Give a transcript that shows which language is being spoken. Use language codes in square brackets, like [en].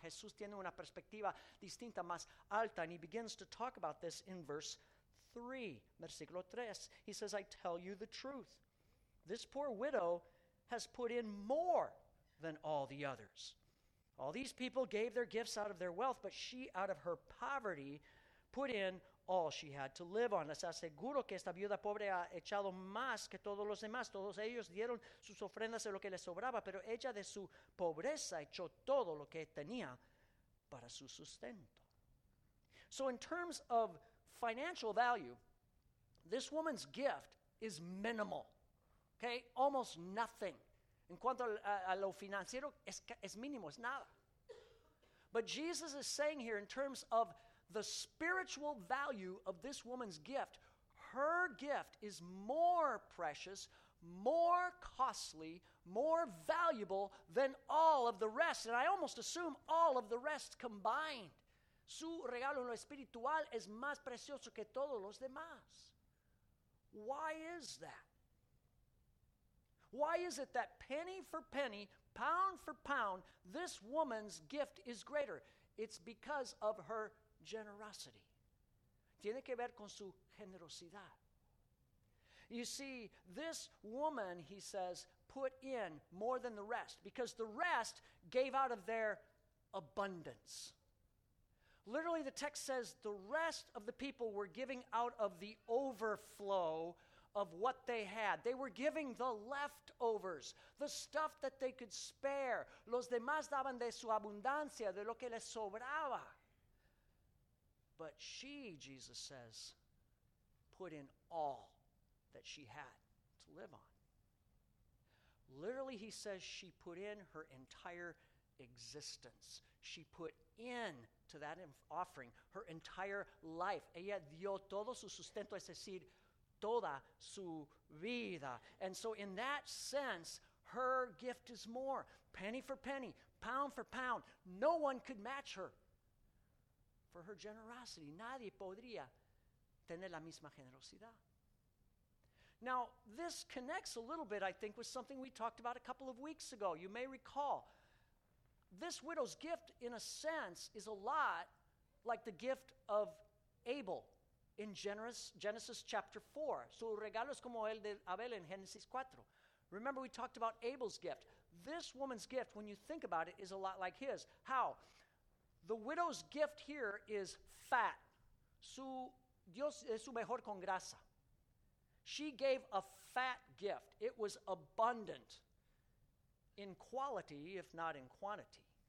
[es] Jesús tiene una perspectiva distinta, más alta, [en] and he begins to talk about this in verse 3, [es] versículo 3. [en] He says, I tell you the truth. This poor widow has put in more than all the others. All these people gave their gifts out of their wealth, but she, out of her poverty, put in all she had to live on. [es] Les aseguro que esta viuda pobre ha echado más que todos los demás. Todos ellos dieron sus ofrendas de lo que les sobraba, pero ella de su pobreza echó todo lo que tenía para su sustento. [en] So in terms of financial value, this woman's gift is minimal. Okay, almost nothing. [es] En cuanto a lo financiero, es mínimo, es nada. [en] But Jesus is saying here in terms of the spiritual value of this woman's gift, her gift is more precious, more costly, more valuable than all of the rest. And I almost assume all of the rest combined. [es] Su regalo en lo espiritual es más precioso que todos los demás. [en] Why is that? Why is it that penny for penny, pound for pound, this woman's gift is greater? It's because of her generosity. [es] Tiene que ver con su generosidad. [en] You see, this woman, he says, put in more than the rest because the rest gave out of their abundance. Literally, the text says the rest of the people were giving out of the overflow of what they had. They were giving the leftovers, the stuff that they could spare. [es] Los demás daban de su abundancia, de lo que les sobraba. [en] But she, Jesus says, put in all that she had to live on. Literally, he says she put in her entire existence. She put in to that offering her entire life. [es] Ella dio todo su sustento, es decir, toda su vida. [en] And so in that sense, her gift is more. Penny for penny, pound for pound. No one could match her for her generosity. [es] Nadie podría tener la misma generosidad. [en] Now, this connects a little bit, I think, with something we talked about a couple of weeks ago. You may recall, this widow's gift, in a sense, is a lot like the gift of Abel in Genesis chapter 4. [es] Su regalo es como el de Abel en Genesis 4. [en] Remember, we talked about Abel's gift. This woman's gift, when you think about it, is a lot like his. How? The widow's gift here is fat. [es] Su Dios es su mejor con grasa. [en] She gave a fat gift. It was abundant in quality, if not in quantity.